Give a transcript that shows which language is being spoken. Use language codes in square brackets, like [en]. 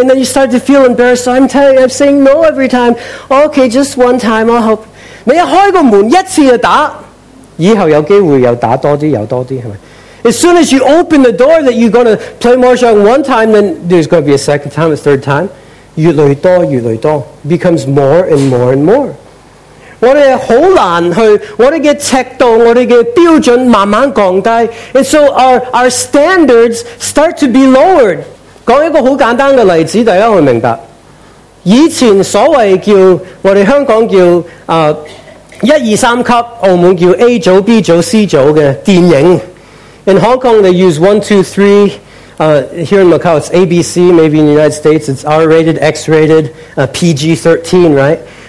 [en] And then you start to feel embarrassed. So I'm saying no every time. Okay, just one time, I'll help. [zh] 你一开个门,一次就打,以后有机会又打多些,又多些,是吧? [en] As soon as you open the door that you're going to play Mahjong one time, then there's going to be a second time, a third time. [zh] 越来越多, [en] becomes more and more and more. [zh] 我们很难去,我们的尺度,我们的标准慢慢降低, [en] and so our standards start to be lowered. [zh] 讲一个很简单的例子,大家会明白。以前所谓叫,我们香港叫, 1、2、3级, 澳门叫A组,B组,C组的电影。 [en] In Hong Kong, they use 1, 2, 3, here in Macau, it's ABC, maybe in the United States, it's R-rated, X-rated, PG-13, right?